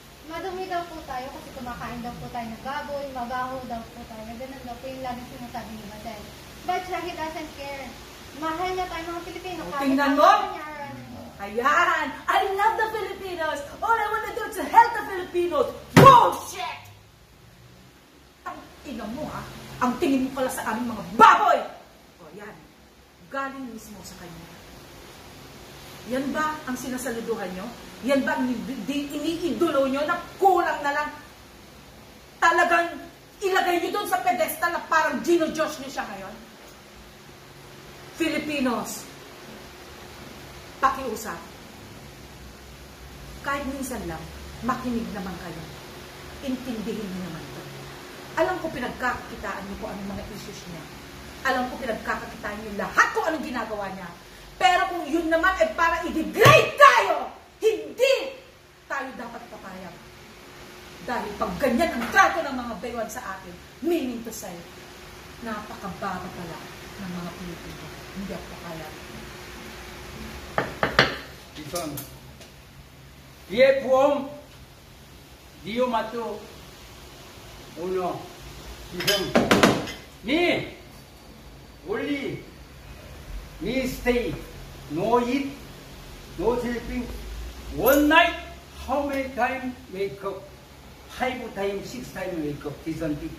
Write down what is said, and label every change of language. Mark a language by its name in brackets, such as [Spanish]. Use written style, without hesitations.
[Filipino] Madumi daw po tayo kasi kumakain daw po tayo ng baboy, mabaho daw po tayo. Ganun daw po yung lagi sinasabi ni Basel. [English] But he doesn't care. [Filipino] Mahal niya tayo mga Pilipino. Tingnan mo? Ayan! [English] I love the Filipinos! All I want to do is to help the Filipinos! [Filipino] Bullshit! Tangina mo ha! Ang tingin mo pala sa aming mga baboy! O yan, galing mismo sa kanya. Yan ba ang sinasaluduhan nyo? Yan ba ang iniidolo nyo na kulang na lang? Talagang ilagay nyo doon sa pedestal na parang Gino Josh nyo siya ngayon? Filipinos! Pakiusap. Kahit minsan lang, makinig naman kayo. Intindihin niyo naman ito. Alam ko pinagkakakitaan niyo kung anong mga issues niya. Alam ko pinagkakakitaan niyo lahat kung anong ginagawa niya. Pero kung yun naman ay para i-degrade tayo, hindi tayo dapat papayag. Dahil pag ganyan ang trato ng mga baywan sa akin, [English] meaning to say, [Filipino] napakababa pala ng mga Pilipino. Hindi ako papayag. [English] This one, dear poem, Dio Mato, Uno, this one, me, only, me stay, no eat, no sleeping, one night, how many times wake up, 5 times, 6 times wake up, this one,